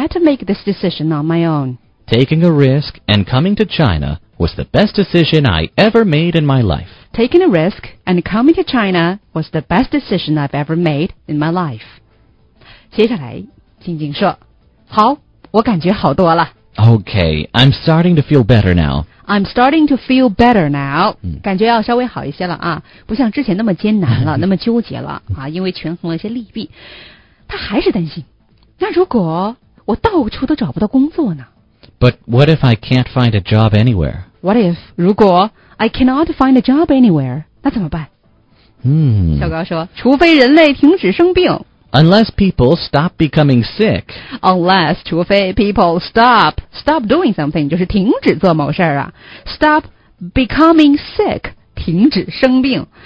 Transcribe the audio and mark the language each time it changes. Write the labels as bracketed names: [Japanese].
[English] I had to make this decision on my own. Taking a risk and coming to China was the best decision I ever made in my life. Taking a risk and coming to China was the best decision I've ever made in my life. [Chinese] 接下来，静静说，好，我感觉好多了。 [English] Okay, I'm starting to feel better now. I'm starting to feel better now. [Chinese] 感觉要稍微好一些了啊，不像之前那么艰难了，那么纠结了啊，因为权衡了一些利弊。他还是担心，那如果我到处都找不到工作呢？ [English] But what if I can't find a job anywhere? What if, [Chinese] 如果 [English] I cannot find a job anywhere, [Chinese] 那怎么办？小高说，除非人类停止生病。 [English] Unless people stop becoming sick. Unless, [Chinese] 除非 [English] people stop doing something, [Chinese] 就是停止做某事啊。 [English] Stop becoming sick, [Chinese] 停止生病。